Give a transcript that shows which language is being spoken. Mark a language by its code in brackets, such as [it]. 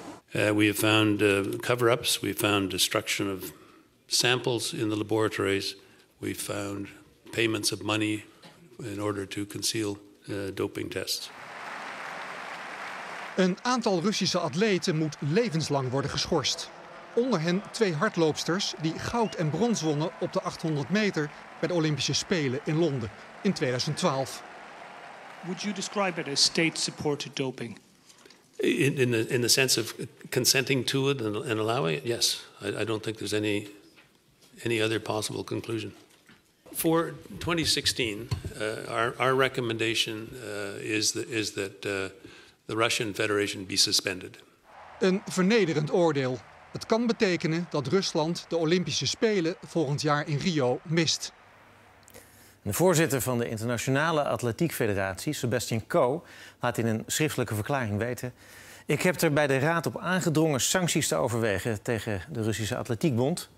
[en] We have found cover-ups, we found destruction of samples in the laboratories, we found payments of money in order to conceal doping tests. [nl] Een aantal Russische atleten moet levenslang worden geschorst. Onder hen twee hardloopsters die goud en brons wonnen op de 800 meter bij de Olympische Spelen in Londen in 2012. [en] Would you describe it as state-supported doping? In the sense of consenting to it and allowing it, yes. I don't think there's any other possible conclusion. For 2016, our recommendation is that the Russian Federation be suspended. [nl] Een vernederend oordeel. Het kan betekenen dat Rusland de Olympische Spelen volgend jaar in Rio mist. De voorzitter van de Internationale Atletiek Federatie, Sebastian Coe, laat in een schriftelijke verklaring weten: ik heb er bij de Raad op aangedrongen sancties te overwegen tegen de Russische Atletiekbond.